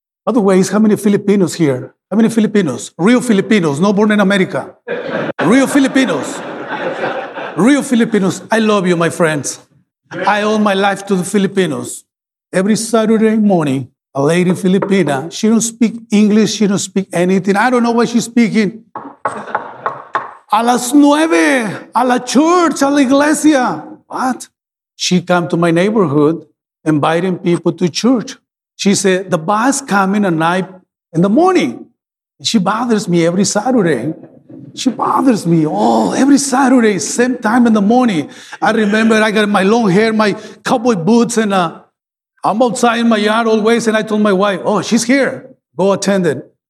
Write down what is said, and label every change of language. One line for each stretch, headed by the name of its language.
English: By the way, how many Filipinos here? How many Filipinos? Real Filipinos, not born in America. Real Filipinos. Real Filipinos. I love you, my friends. I owe my life to the Filipinos. Every Saturday morning, a lady Filipina, she don't speak English, she don't speak anything. I don't know what she's speaking.
Spanish: A las nueve, a la church, a la iglesia.
English: What? She come to my neighborhood, inviting people to church. She said, the bus coming at night in the morning. She bothers me every Saturday. She bothers me. Oh, every Saturday, same time in the morning. I remember I got my long hair, my cowboy boots, and I'm outside in my yard always, and I told my wife, oh, she's here. Go attend it.